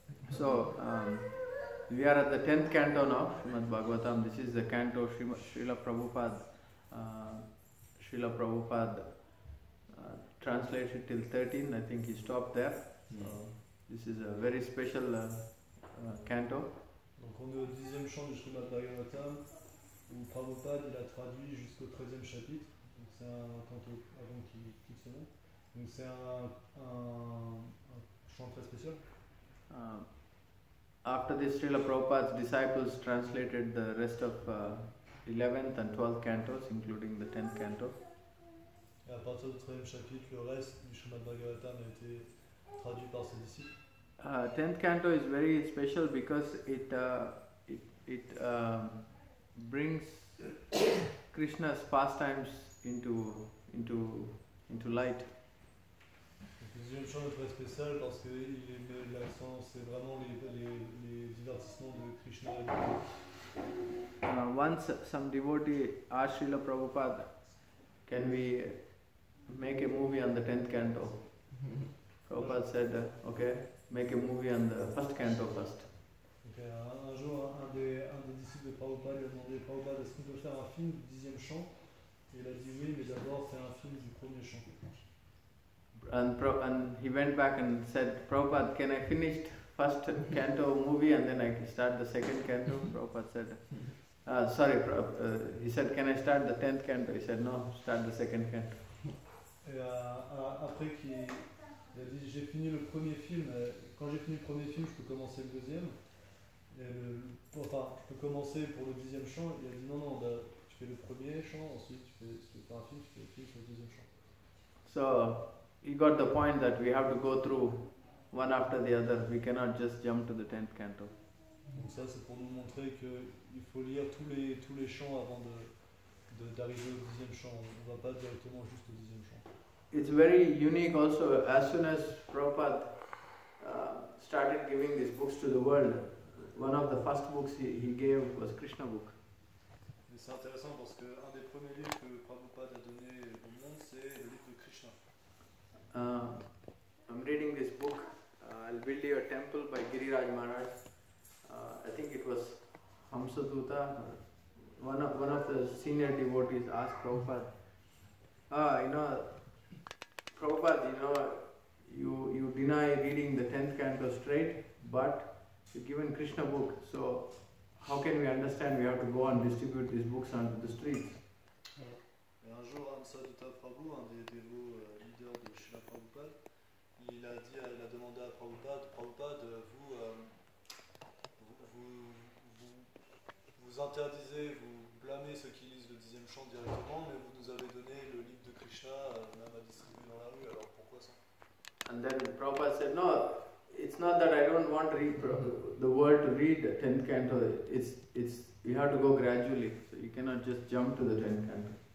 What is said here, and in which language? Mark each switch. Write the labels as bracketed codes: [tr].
[en] So, we are at the 10th canto now, Srimad Bhagavatam. This is the canto Srila Prabhupada. Srila Prabhupada translated till 13, I think he stopped there. So, this is a very special canto. [fr] Donc, on est au 10e chant de Srimad Bhagavatam, où Prabhupada il a traduit jusqu'au 13e chapitre. C'est un canto avant qu'il quitte ce monde. Donc c'est un chant très spécial. [en] After this, Srila Prabhupada's disciples translated the rest of 11th and 12th cantos, including the 10th canto. [fr] Et à partir du 13e chapitre, le reste du Srimad Bhagavatam a été traduit par ses disciples. [en] 10th canto is very special because it brings Krishna's pastimes into light. [fr] Le deuxième chant est très spécial parce que l'accent c'est vraiment les divertissements de Krishna. [en] Once some devotee asked Srila Prabhupada, can we make a movie on the 10th canto? Prabhupada said, okay, make a movie on the first canto first. [fr] Okay, un jour un des disciples de Prabhupada lui a demandé, Prabhupada, est-ce qu'on peut faire un film du 10e chant? Il a dit oui, mais d'abord c'est un film du premier chant. [en] And he went back and said, Prabhupada, can I finish first canto movie and then I can start the second canto? Prabhupada said, he said, can I start the 10th canto? He said, no, start the second canto. [fr] Et après qu'il a dit, j'ai fini le premier film, quand j'ai fini le premier film, je peux commencer le deuxième. Enfin, tu peux commencer pour le dixième chant, il a dit non, non, ben, tu fais le premier chant, ensuite tu fais un film, tu fais le deuxième chant. [en] So, he got the point that we have to go through one after the other, we cannot just jump to the tenth canto. [fr] Donc ça, c'est pour nous montrer qu'il faut lire tous les chants avant d'arriver au dixième chant, on ne va pas directement juste au dixième chant. [en] It's very unique also, as soon as Prabhupada started giving these books to the world, one of the first books he gave was Krishna book. [fr] C'est intéressant parce que un des premiers livres que Prabhupada a donné au monde, c'est le livre de Krishna. [en] I'm reading this book, I'll Build You a Temple by Giriraj Maharaj. I think it was Hamsaduta, one of the senior devotees asked Prabhupada, Prabhupada, you deny reading the 10th canto straight, but you've given Krishna book, so how can we understand we have to go and distribute these books onto the streets? [fr] Et un jour, Hamsaduta Prabhu, un des dévots leaders de Srila Prabhupada, il a demandé à Prabhupada, vous interdisez, vous blâmez ceux qui lisent le dixième chant directement, mais vous nous avez donné le livre de Krishna, même à distribuer dans la rue, alors pourquoi ça? [en] And then Prabhupada said, no, it's not that I don't want the world to read the 10th canto, it's, you have to go gradually, so you cannot just jump to the 10th canto.